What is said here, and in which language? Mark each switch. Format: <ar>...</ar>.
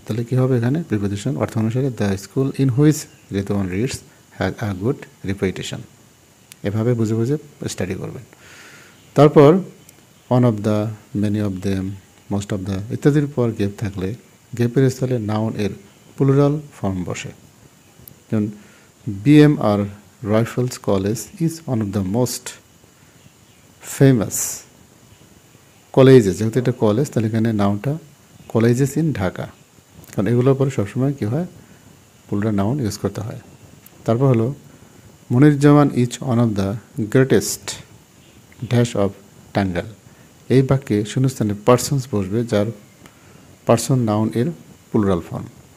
<bn>তাহলে কী হবে এখানে প্রিপোজিশন, অর্থ অনুসারে</bn> <en>The school in which Redwan reads has a good reputation.</en> <bn>এভাবে বুঝে বুঝে স্টাডি করবেন। তারপর</bn> <en>one of the, many of them, most of the</en> <bn>ইত্যাদির পর গ্যাপ থাকলে গ্যাপের স্থলে নাউন এর প্লুরাল ফর্ম বসে। যেমন B M আর</bn> <en>Raffles College is one of the most famous colleges.</en> <bn>যেহেতু এটা কলেজ তাহলে এখানে নাউনটা</bn> <en>colleges in Dhaka,</en> <bn>কারণ এগুলোর পরে সবসময় কী হয় পুরোটা নাউন ইউজ করতে হয়। তারপর হলো</bn> <en>Moniruzzaman is one of the greatest dash of Tangail.</en> <bn>এই বাক্যে শূন্যস্থানে পার্সন্স বসবে যার পার্সন নাউন এর প্লুরাল ফর্ম।</bn>